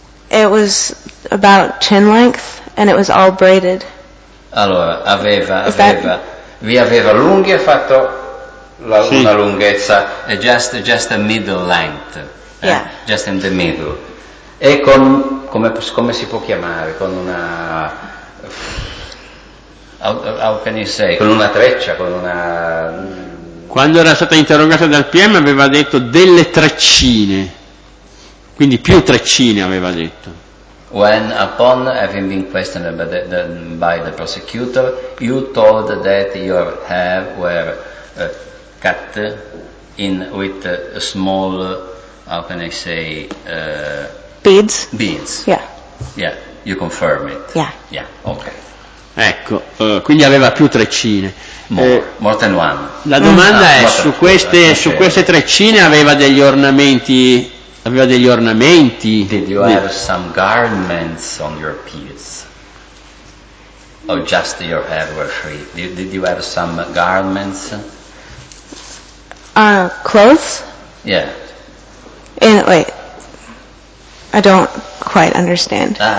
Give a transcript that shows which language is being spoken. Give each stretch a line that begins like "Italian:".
English: It was about chin length and it was all braided.
Italian: Allora, aveva lunghi, ha fatto una lunghezza, just a middle length.
English: Yeah. Just in the middle.
Italian: E con, come si può chiamare, con una... How can you say? Con una treccia, con una... Quando era stata interrogata dal PM aveva detto delle treccine, quindi più treccine aveva detto.
English: When upon having been questioned by the prosecutor, you told that your hair were cut in with small, how can I say... Beads? Beads. Yeah. Yeah, you confirm it. Yeah. Yeah, okay.
Italian: Ecco, quindi aveva più treccine.
English: More than one.
Italian: La domanda è su queste treccine aveva degli ornamenti? Aveva degli ornamenti?
English: Did you have some garments on your pieces? Or just your hair were free? Did you have some garments? Clothes? Yeah. I don't quite understand.